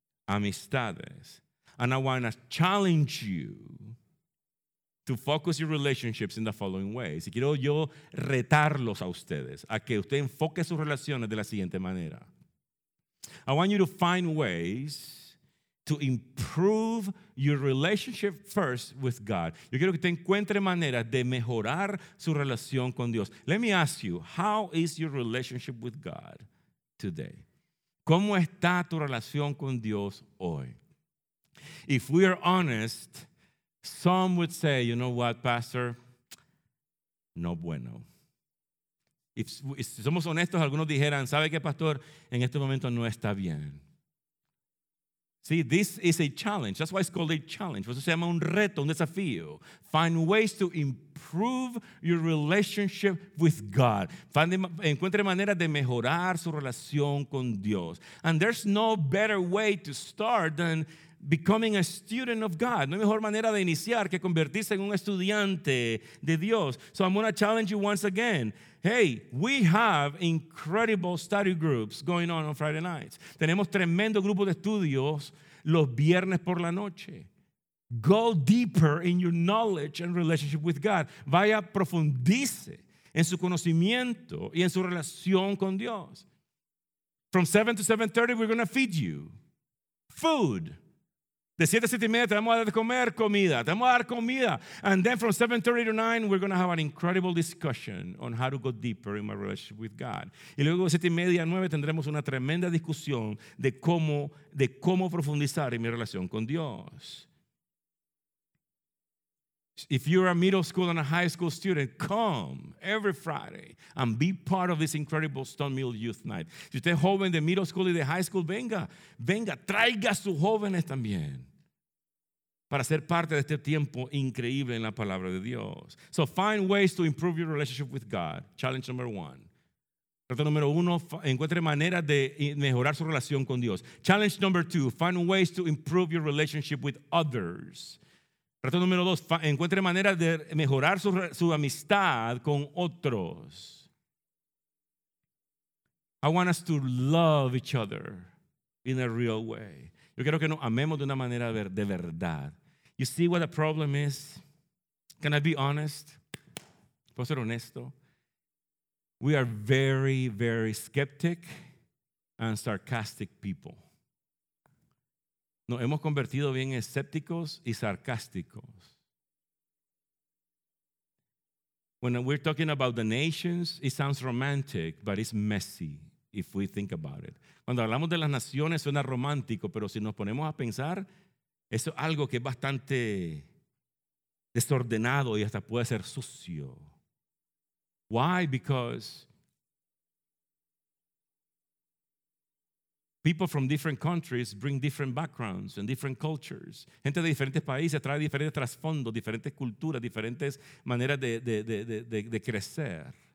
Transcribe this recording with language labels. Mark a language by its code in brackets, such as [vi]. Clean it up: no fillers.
[es] Amistades. [en] And I want to challenge you to focus your relationships in the following ways. [es] Y quiero yo retarlos a ustedes a que usted enfoque sus relaciones de la siguiente manera. [en] I want you to find ways to improve your relationship first with God. [es] Yo quiero que usted encuentre maneras de mejorar su relación con Dios. [en] Let me ask you, how is your relationship with God today? [es] ¿Cómo está tu relación con Dios hoy? [en] If we are honest, some would say, you know what, Pastor? [es] No bueno. Si somos honestos, algunos dijeran, ¿sabe qué, Pastor? En este momento no está bien. [en] See, this is a challenge. That's why it's called a challenge. [es] Por eso se llama un reto, un desafío. [en] Find ways to improve your relationship with God. [es] Encuentre maneras de mejorar su relación con Dios. [en] And there's no better way to start than becoming a student of God. [es] No hay mejor manera de iniciar que convertirse en un estudiante de Dios. [en] So I'm going to challenge you once again. Hey, we have incredible study groups going on Friday nights. [es] Tenemos tremendo grupo de estudios los viernes por la noche. [en] Go deeper in your knowledge and relationship with God. [es] Vaya, profundice en su conocimiento y en su relación con Dios. [en] From 7 to 7:30, we're going to feed you food. [es] De 7 a 7 y media te vamos a dar de comer comida. Te vamos a dar comida. [en] And then from 7:30 to 9, we're going to have an incredible discussion on how to go deeper in my relationship with God. [es] Y luego de 7 y media a 9 tendremos una tremenda discusión de cómo profundizar en mi relación con Dios. [en] If you're a middle school and a high school student, come every Friday and be part of this incredible Stone Mill Youth Night. [es] Si usted es joven de middle school y de high school, venga, traiga a sus jóvenes también para ser parte de este tiempo increíble en la palabra de Dios. [en] So find ways to improve your relationship with God. Challenge number one. [es] Reto número uno, encuentre maneras de mejorar su relación con Dios. [en] Challenge number two, find ways to improve your relationship with others. [es] Reto número dos, encuentre maneras de mejorar su amistad con otros. [en] I want us to love each other in a real way. [es] Yo quiero que nos amemos de una manera de verdad. [en] You see what the problem is? Can I be honest? [es] ¿Puedo ser honesto? [en] We are very, very skeptic and sarcastic people. [es] Nos hemos convertido bien escépticos y sarcásticos. [en] When we're talking about the nations, it sounds romantic, but it's messy if we think about it. [es] Cuando hablamos de las naciones suena romántico, pero si nos ponemos a pensar, eso es algo que es bastante desordenado y hasta puede ser sucio. [en] Why? Because people from different countries bring different backgrounds and different cultures. [es] Gente de diferentes países trae diferentes trasfondos, diferentes culturas, diferentes maneras de crecer.